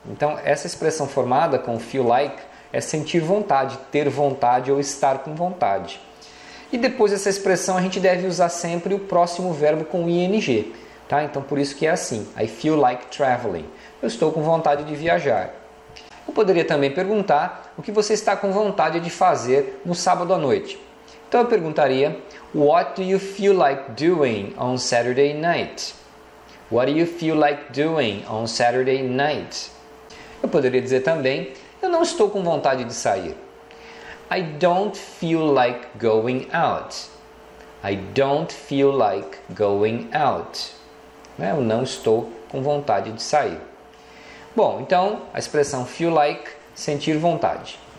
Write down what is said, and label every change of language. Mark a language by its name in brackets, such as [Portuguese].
[Portuguese] Então, essa expressão formada com feel like é sentir vontade, ter vontade ou estar com vontade. E depois dessa expressão, a gente deve usar sempre o próximo verbo com ing. Tá? Então, por isso que é assim, [English] I feel like traveling. [Portuguese] Eu estou com vontade de viajar. Eu poderia também perguntar o que você está com vontade de fazer no sábado à noite. Então eu perguntaria, [English] what do you feel like doing on Saturday night? What do you feel like doing on Saturday night? [Portuguese] Eu poderia dizer também, eu não estou com vontade de sair. [English] I don't feel like going out. I don't feel like going out. [Portuguese] Eu não estou com vontade de sair. Bom, então, a expressão feel like, sentir vontade.